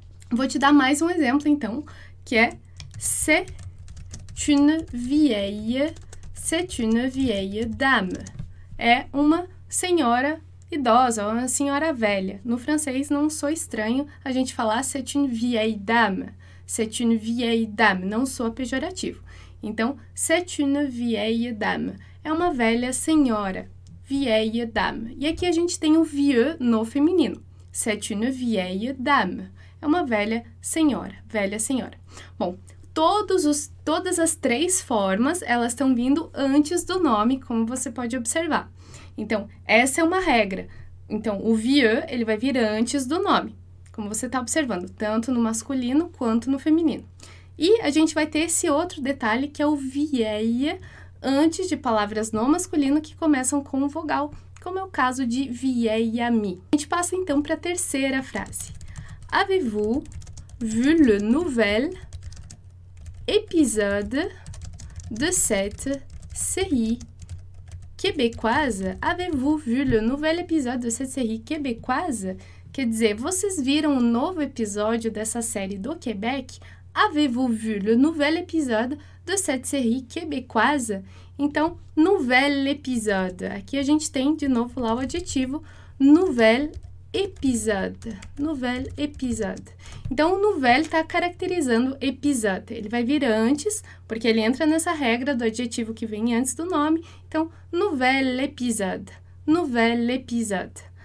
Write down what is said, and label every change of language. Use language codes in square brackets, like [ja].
[pt] Vou te dar mais um exemplo, então, que é [fr] c'est une vieille, c'est une vieille dame. [pt] É uma senhora idosa, uma senhora velha. No francês não soa estranho a gente falar [fr] c'est une vieille dame. C'est une vieille dame, [pt] não soa pejorativo. [fr] Então, c'est une vieille dame. [pt] É uma velha senhora, vieille dame. E aqui a gente tem o vieux no feminino. [fr] C'est une vieille dame. [pt] É uma velha senhora, velha senhora. Bom, todas as três formas, elas estão vindo antes do nome, como você pode observar. Então, essa é uma regra. Então, o vieux, ele vai vir antes do nome, como você está observando, tanto no masculino quanto no feminino. E a gente vai ter esse outro detalhe, que é o vieille, antes de palavras no masculino que começam com vogal, como é o caso de vieillami. A gente passa, então, para a terceira frase. [fr] Avez-vous vu le nouvel épisode de cette série québécoise? Avez-vous vu le nouvel épisode de cette série québécoise? [pt] Quer dizer, vocês viram o novo episódio dessa série do Quebec? [fr] Avez-vous vu le nouvel épisode de cette série québécoise? [pt] Então, nouvel épisode. Aqui a gente tem de novo lá o adjetivo nouvel. Episode, nouvelle episode. Então, o nouvelle está caracterizando episode. Ele vai vir antes, porque ele entra nessa regra do adjetivo que vem antes do nome. [fr] Então, nouvelle episode, nouvelle episode.